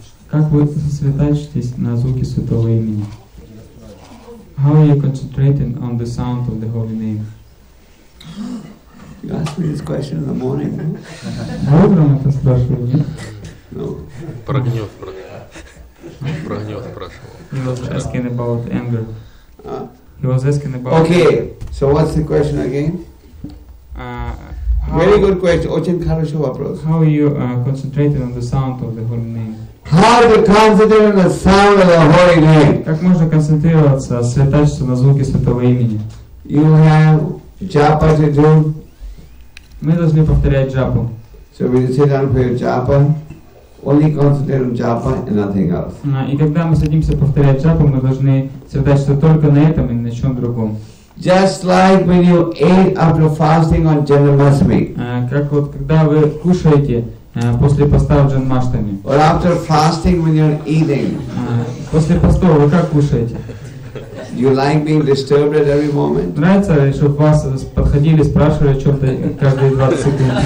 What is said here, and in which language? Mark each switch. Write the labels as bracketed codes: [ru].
[ru] Как вы сосредотачиваетесь на звуки Святого Имени? [en] How are you concentrating on the sound of the Holy Name? You asked me this question in the morning. [ru] Утром это спрашивали? Прогнёт спрашивал. [en] He was asking about anger. He was asking about... Okay, so what's the question again? Very good question. [ru] Очень хороший вопрос. [en] How are you concentrated on the sound of the Holy Name? How to concentrate on the sound of the Holy Name? [ru] Как можно концентрироваться, сосредоточиться на звуке Святого Имени? [en] You have japa to do. [ru] Мы должны повторять джапу. [en] So when you sit down for your japa, only concentrate on japa and nothing else. [ru] И когда мы садимся повторять джапу, мы должны сосредоточиться только на этом и ни на чем другом. [en] Just like when you ate after fasting on Janmashtami. [ru] Как вот когда вы кушаете после поста в Джанмаштами. [en] Or after fasting when you're eating. [ru] После поста вы как кушаете? [en] You like being disturbed at every moment. [ru] Нравится, чтобы вас подходили, спрашивали о чем-то каждые 20 секунд.